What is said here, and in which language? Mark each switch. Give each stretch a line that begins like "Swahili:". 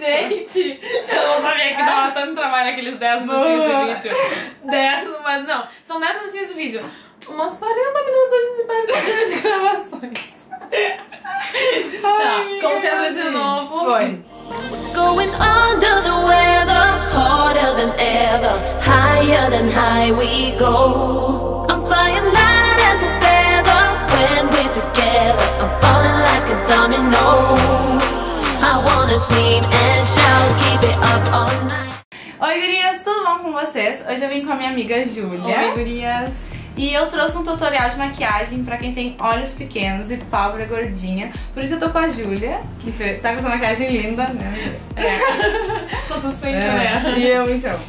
Portuguese: Gente, eu não sabia que dava tanto trabalho aqueles 10 minutinhos de vídeo. 10, mas não. São 10 minutinhos de vídeo. Umas 40 minutos a gente perde o de gravações. Tá, concentra de novo. Foi.
English: Going under the weather, harder than ever, higher than high we go. I'm flying light as a feather, when we're together, I'm falling like a domino. I wanna scream and shout, keep it up all night.
Portuguese: Oi, gurias, tudo bom com vocês? Hoje eu vim com a minha amiga Júlia. Oi, gurias. E eu trouxe um tutorial de maquiagem pra quem tem olhos pequenos e pálpebra gordinha. Por isso eu tô com a Júlia, que tá com essa maquiagem linda, né? É. Sou suspeita, né? E eu, então.